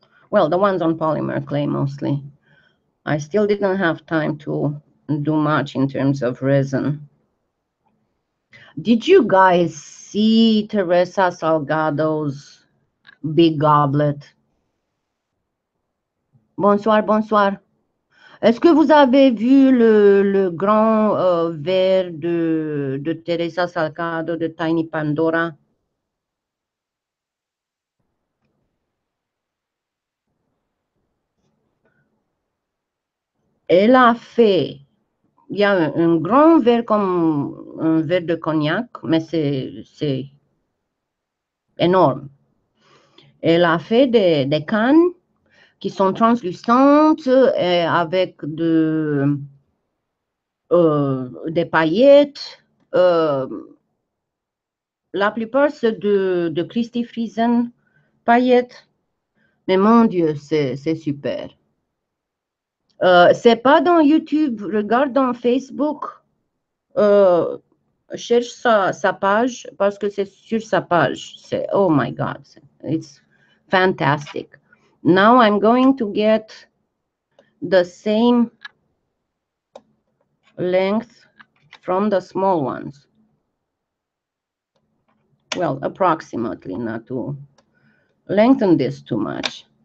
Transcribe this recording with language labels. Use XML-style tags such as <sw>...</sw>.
<en>Well, the ones on polymer clay mostly. I still didn't have time to do much in terms of resin. Did you guys see Teresa Salgado's big goblet?</en> <fr>Bonsoir, bonsoir. Est-ce que vous avez vu le grand verre de Teresa Salgado de Tiny Pandora? Elle a fait, il y a un grand verre comme un verre de cognac, mais c'est énorme. Elle a fait des cannes qui sont translucentes et avec des paillettes. La plupart, c'est de Christie Friesen paillettes. Mais mon Dieu, c'est super. C'est pas dans YouTube, regarde dans Facebook, cherche sa page parce que c'est sur sa page. C'est,</fr> <en>oh my God, it's fantastic. Now I'm going to get the same length from the small ones. Well, approximately, not to lengthen this too much.</en>